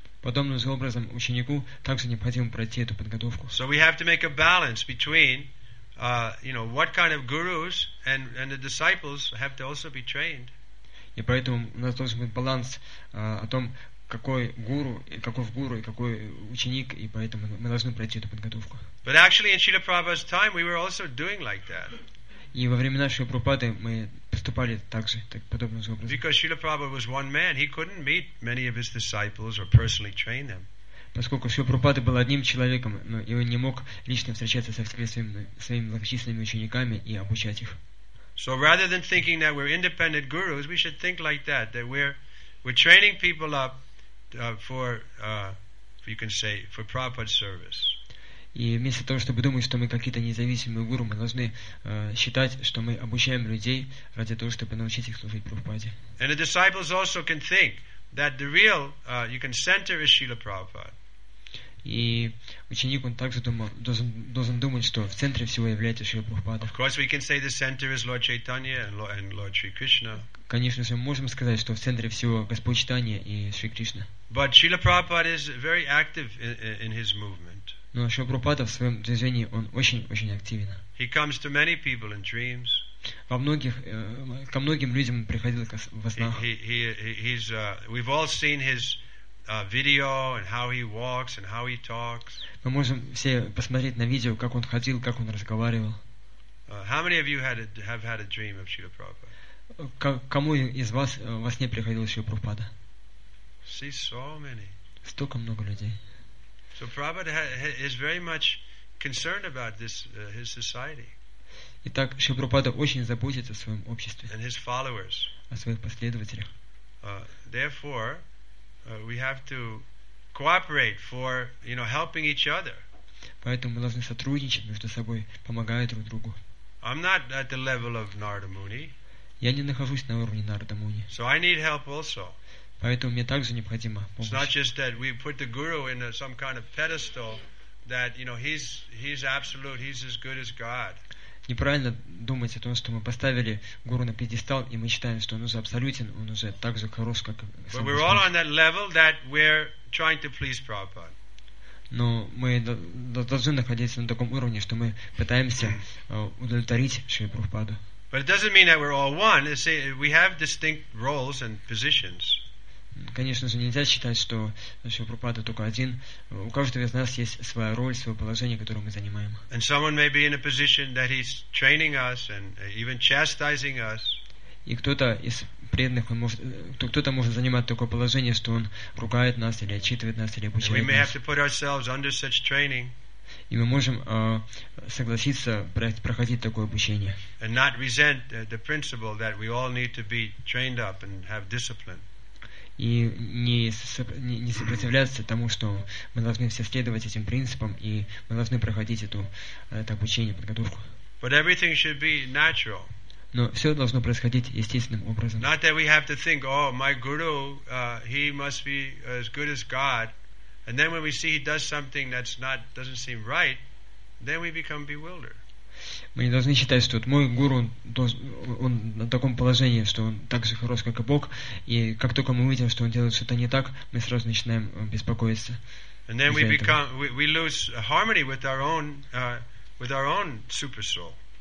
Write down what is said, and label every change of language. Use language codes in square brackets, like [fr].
[ru] Подобным же образом ученику также необходимо пройти эту подготовку. [en] So we have to make a balance between, you know, what kind of gurus and the disciples have to also be trained. [ru] И поэтому у нас должен быть баланс о том, какой гуру, каков гуру и какой ученик, и поэтому мы должны пройти эту подготовку. [en] But actually, in Srila Prabhupada's time, we were also doing like that. [ru] И во времена Шрилы Прабхупады мы поступали так же, так, подобным же образом. [en] Because Srila Prabhupada was one man, he couldn't meet many of his disciples or personally train them. [ru] Поскольку Шрила Прабхупада был одним человеком, но и он не мог лично встречаться со всеми своими многочисленными учениками и обучать их. [en] So rather than thinking that we're independent gurus, we should think like that we're training people up for you can say for Prabhupada's service. [ru] И вместо того, чтобы думать, что мы какие-то независимые гуру, мы должны считать, что мы обучаем людей ради того, чтобы научить их служить Прабхупаде. [en] And the disciples also can think that the real you can center is Srila Prabhupada. [ru] И ученик он также должен думать, что в центре всего является Шрила Прабхупада. [en] Of course, we can say the center is Lord Chaitanya and Lord Sri Krishna. [ru] Конечно, мы можем сказать, что в центре всего Господь Читания и Шри Кришна. [en] But Srila Prabhupada is very active in his movement. [ru] Но Шрила Прабхупада в своем движении он очень активен. [en] He comes to many people in dreams. [ru] Во многих ко многим людям он приходил во снах. [en] We've all seen his video and how he walks and how he talks. [ru] Мы можем все посмотреть на видео, как он ходил, как он разговаривал. [en] How many of you have had a dream of Srila Prabhupada? [ru] Кому из вас во сне приходил Шрила Прабхупада? [en] See so many. [ru] Столько много людей. [en] So Prabhupada is very much concerned about this his society. [ru] Итак, Шрила Прабхупада очень заботится о своем обществе. [en] And his followers. [ru] О своих последователях. [en] Therefore. We have to cooperate for, you know, helping each other. [ru] Поэтому мы должны сотрудничать между собой, помогая друг другу. [en] I'm not at the level of Narada Muni. [ru] Я не нахожусь на уровне Нарада Муни. [en] So I need help also. [ru] Поэтому мне также необходима помощь. [en] It's not just that we put the guru in some kind of pedestal that, you know, he's absolute, he's as good as God. [ru] Неправильно думать о том, что мы поставили гуру на пьедестал, и мы считаем, что он уже абсолютен, он уже так же хорош, как сам Господь. [en] But we're all on that level that we're trying to please Prabhupada. [ru] Но мы должны находиться на таком уровне, что мы пытаемся удовлетворить Шри Прабхупаду. [en] But it doesn't mean that we're all one. You see, we have distinct roles and positions. [ru] Конечно же, нельзя считать, что Шрила Прабхупада только один. У каждого из нас есть своя роль, свое положение, которое мы занимаем. [en] And someone may be in a position that he's training us and even chastising us. [ru] И кто-то из преданных, кто-то может занимать такое положение, что он ругает нас или отчитывает нас или обучает нас. [en] And we may have to put ourselves under such training. [ru] И мы можем согласиться проходить такое обучение. [en] And not resent the principle that we all need to be trained up and have discipline. [ru] И не сопротивляться тому, что мы должны все следовать этим принципам, и мы должны проходить это обучение, подготовку. [en] But everything should be natural. [ru] Но все должно происходить естественным образом. [en] Not that we have to think, oh, my guru, he must be as good as God. And then when we see he does something that's not doesn't seem right, then we become bewildered. [ru] Мы не должны считать, что вот мой гуру, он на таком положении, что он так же хорош, как и Бог, и как только мы увидим, что он делает что-то не так, мы сразу начинаем беспокоиться. [en] And then we lose harmony with our own super soul.